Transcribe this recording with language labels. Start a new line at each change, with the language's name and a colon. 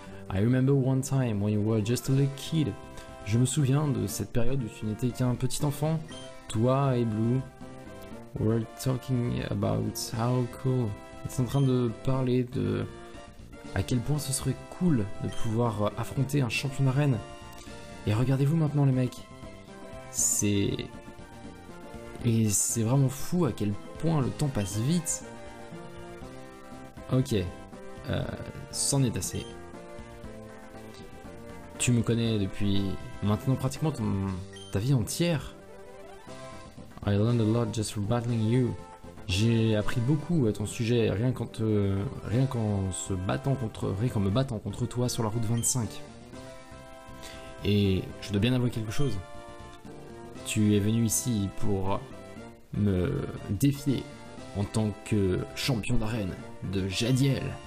English: I remember one time when you were just a little kid.
French: Je me souviens de cette période où tu n'étais qu'un petit enfant. Toi et Blue.
English: We're talking about how cool.
French: Ils sont en train de parler de. À quel point ce serait cool de pouvoir affronter un champion d'arène. Et regardez-vous maintenant, les mecs. C'est. Et c'est vraiment fou à quel point le temps passe vite. Ok. C'en est assez. Tu me connais depuis maintenant pratiquement ta vie entière.
English: I learned a lot just from battling you.
French: J'ai appris beaucoup à ton sujet rien qu'en me battant contre toi sur la route 25. Et je dois bien avouer quelque chose. Tu es venu ici pour me défier en tant que champion d'arène de Jadiel.